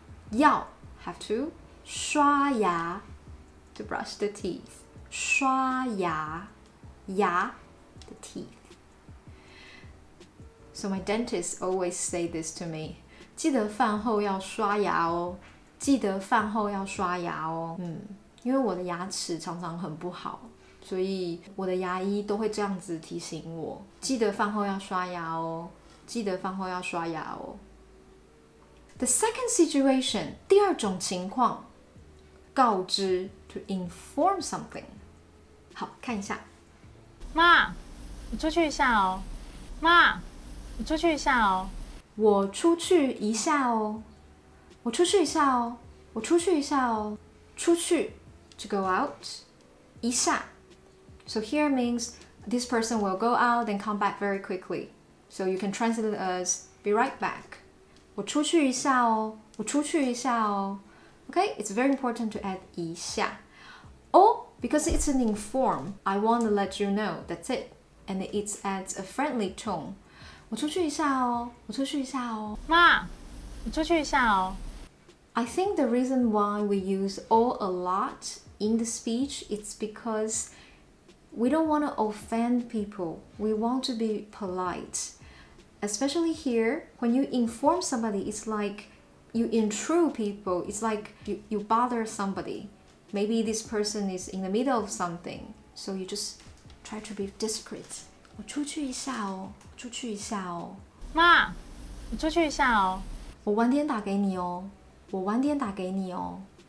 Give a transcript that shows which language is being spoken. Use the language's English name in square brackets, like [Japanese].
[Chinese] 要 [English] have to [Chinese] 刷牙 [English] to brush the teeth [Chinese] 刷牙牙 [English] the teeth. So my dentist always say this to me. [Chinese] 记得饭后要刷牙哦，记得饭后要刷牙哦。嗯，因为我的牙齿常常很不好，所以我的牙医都会这样子提醒我：记得饭后要刷牙哦，记得饭后要刷牙哦。 [English] The second situation， [Chinese] 第二种情况，告知 [English] to inform something。 [Chinese] 好，看一下，妈，你出去一下哦。妈，你出去一下哦。我出去一下哦，我出去一下哦，我出去一下哦，出去 [English] to go out [Chinese] 一下 [English] ，so here means this person will go out and come back very quickly. So you can translate as be right back. [Chinese] 我出去一下哦，我出去一下哦。 [English] Okay, it's very important to add 一下，oh because it's an inform. I want to let you know. That's it, and it adds a friendly tone. 我出去一下哦，我出去一下哦。妈，我出去一下哦。 I think the reason why we use all a lot in the speech is because we don't want to offend people. We want to be polite. Especially here, when you inform somebody, it's like you intrude people. It's like you bother somebody. Maybe this person is in the middle of something. So you just try to be discreet. [Chinese] 我出去一下哦，出去一下哦。妈，我出去一下哦。我晚点打给你哦，我晚点打给你哦。